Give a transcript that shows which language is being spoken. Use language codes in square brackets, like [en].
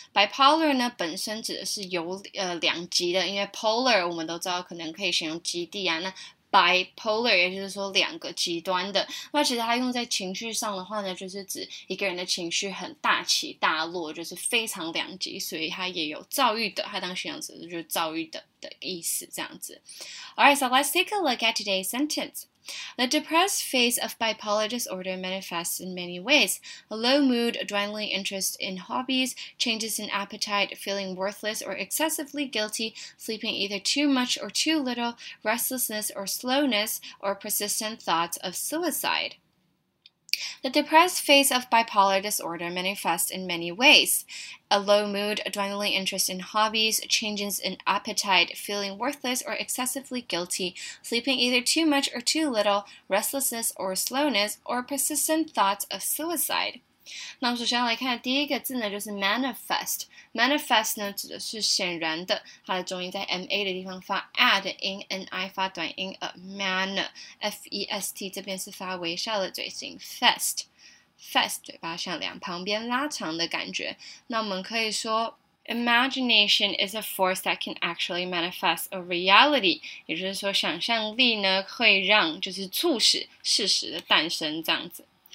[zh] Bipolar 呢本身指的是有两极的，因为 polar 我们都知道可能可以形容极地啊，那Bipolar 也就是说两个极端的，那其实它用在情绪上的话呢，就是指一个人的情绪很大起大落，就是非常两极，所以它也有躁郁的，它当形容词就是躁郁的意思这样子。 [en] Alright, so let's take a look at today's sentence. The depressed phase of bipolar disorder manifests in many ways. A low mood, dwindling interest in hobbies, changes in appetite, feeling worthless or excessively guilty, sleeping either too much or too little, restlessness or slowness, or persistent thoughts of suicide. The depressed phase of bipolar disorder manifests in many ways. A low mood, a dwindling interest in hobbies, changes in appetite, feeling worthless or excessively guilty, sleeping either too much or too little, restlessness or slowness, or persistent thoughts of suicide. [zh] 那我们首先来看第一个字呢，就是 manifest。manifest 呢指的是显然的，它的重音在 ma 的地方发 a 的音 ，n i 发短音 a man f e s t 这边是发微笑的嘴型 fest 嘴巴向两旁边拉长的感觉。那我们可以说。 [en] Imagination is a force that can actually manifest a reality. [zh] 也就是说，想象力呢会让就是促使事实的诞生这样子。